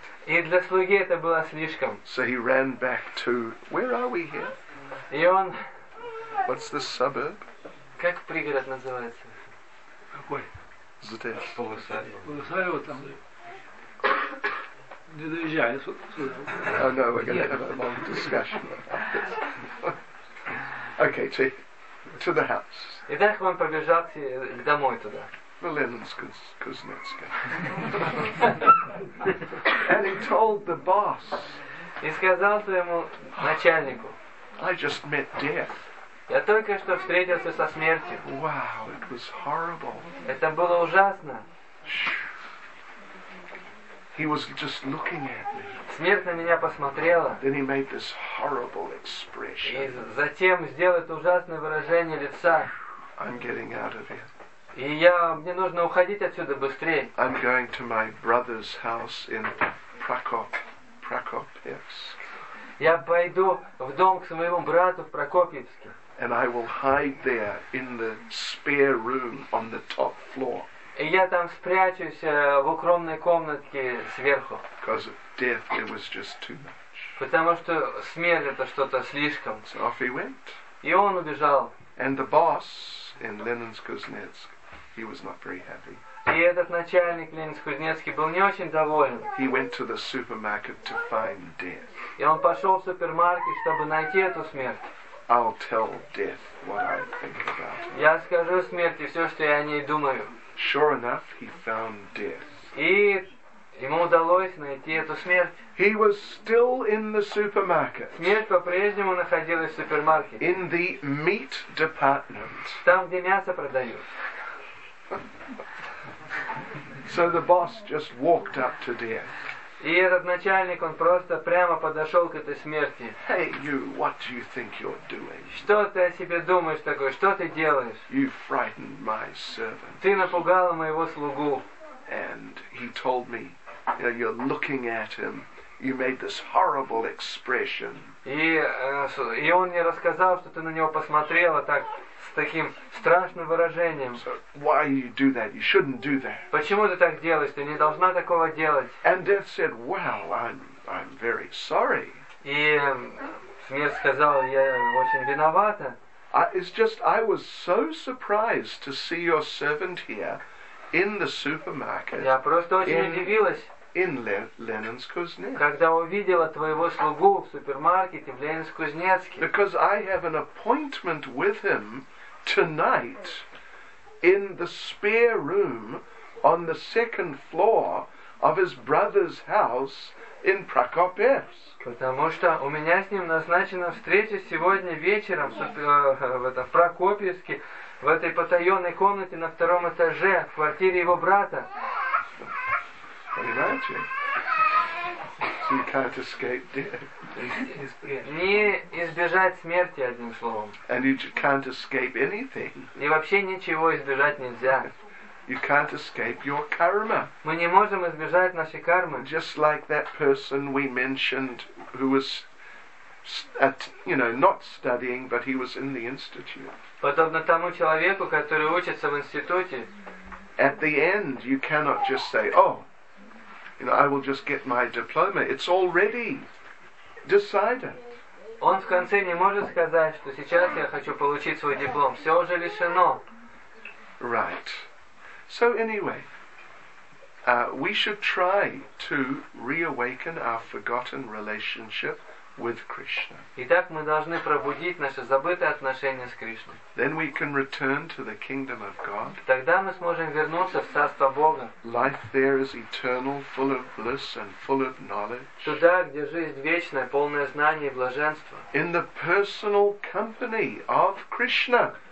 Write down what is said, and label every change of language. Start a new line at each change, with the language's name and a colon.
Russian: И для слуги это было слишком.
English: So he ran back to where are we here?
Russian: И он.
English: What's the suburb?
Russian: Как пригород называется? Какой? Здесь. Полосарево там. Не доезжай.
English: Oh no, we're going to have a long discussion about this. Okay, to the house.
Russian: Итак, он побежал домой туда.
English: The Lenin's Kuznetska. And he told the boss.
Russian: И сказал своему начальнику.
English: I just met death.
Russian: Я только что встретился со смертью.
English: Wow, it was horrible.
Russian: Это было ужасно.
English: He was just looking at me.
Russian: Смерть на меня посмотрела.
English: Then he made this horrible expression.
Russian: И затем сделал это ужасное выражение лица.
English: I'm getting out of here.
Russian: И я, мне нужно уходить отсюда быстрее.
English: I'm going to my brother's house in Prokopyevsk.
Russian: Я пойду в дом к своему брату в Прокопьевске.
English: And I will hide there in the spare room on the top floor.
Russian: И я там спрячусь в укромной комнатке сверху.
English: Because of death, it was just too much.
Russian: Потому что смерть — это что-то слишком.
English: So off he went.
Russian: И он убежал.
English: And the boss in Lenin's Kuznetsk, he was not very happy.
Russian: И этот начальник Ленинск-Кузнецкий был не очень доволен.
English: He went to the supermarket to find death.
Russian: И он пошел в супермаркет, чтобы найти эту смерть.
English: I'll tell death what I think about him.
Russian: Я скажу смерти все, что я о ней думаю.
English: Sure enough, he found death.
Russian: И ему удалось найти эту смерть.
English: He was still in the supermarket.
Russian: Смерть по-прежнему находилась в супермаркете.
English: In the meat department.
Russian: Там, где мясо продают.
English: So the boss just walked up to death.
Russian: И этот начальник, он просто прямо подошел к этой смерти.
English: Hey, you, what do you think you're doing?
Russian: Что ты о себе думаешь такое? Что ты делаешь?
English: You frightened my servant.
Russian: Ты напугала моего слугу.
English: And he told me, you know, you're looking at him you made this horrible expression.
Russian: И он мне рассказал, что ты на него посмотрела так с таким страшным выражением.
English: So why you do that? You shouldn't do that.
Russian: Почему ты так делаешь? Ты не должна такого делать.
English: And Death said, "Well, I'm very sorry."
Russian: И смерть сказала, я очень виновата.
English: It's just I was so surprised to see your servant here in the supermarket.
Russian: Я просто очень удивилась.
English: In Lenin's Kuznets.
Russian: Когда увидела твоего слугу в супермаркете в Ленинск-Кузнецке.
English: Because I have an appointment with him tonight in the spare room on the second floor of his brother's house in Prokopievsk.
Russian: Потому что у меня с ним назначена встреча сегодня вечером в Прокопьевске, в этой потаенной комнате на втором этаже в квартире его брата. Понимаете?
English: So you can't escape death.
Russian: Не избежать смерти, одним словом.
English: And you can't escape anything.
Russian: И вообще ничего избежать нельзя.
English: You can't escape your karma.
Russian: Мы не можем избежать нашей кармы.
English: Just like that person we mentioned who was at, you know, not studying, but he was in the institute.
Russian: Подобно тому человеку, который учится в институте.
English: At the end, you cannot just say, oh, you know, I will just get my diploma. It's already decided.
Russian: Он в конце не может сказать, что сейчас я хочу получить свой диплом. Все уже решено.
English: Right. So anyway, we should try to reawaken our forgotten relationship with Krishna.
Russian: Итак, мы должны пробудить наши забытые отношения с Кришной.
English: Then we can return to the kingdom of God.
Russian: Тогда мы сможем вернуться в царство Бога.
English: Life there is eternal, full of bliss and full of knowledge.
Russian: Туда, где жизнь вечная, полная знаний и блаженства.
English: In the personal company of Krishna.